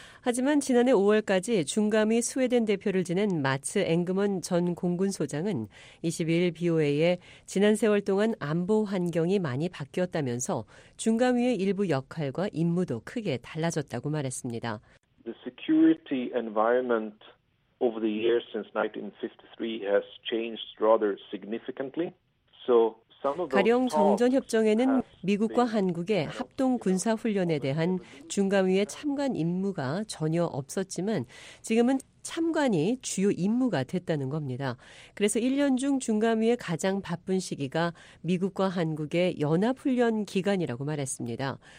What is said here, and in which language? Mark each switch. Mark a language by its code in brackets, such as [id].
[ko] 하지만 지난해 5월까지 중감위 스웨덴 대표를 지낸 마츠 앵그먼 전 공군 소장은 22일 BOA에 지난 세월 동안 안보 환경이 많이 바뀌었다면서 중감위의 일부 역할과 임무도 크게 달라졌다고 말했습니다. [en] The security environment over the years since 1953 has changed rather significantly. So [ko] 가령 정전협정에는 미국과 한국의 합동군사훈련에 대한 중감위의 참관 임무가 전혀 없었지만 지금은 참관이 주요 임무가 됐다는 겁니다. 그래서 1년 중 중감위의 가장 바쁜 시기가 미국과 한국의 연합훈련 기간이라고 말했습니다.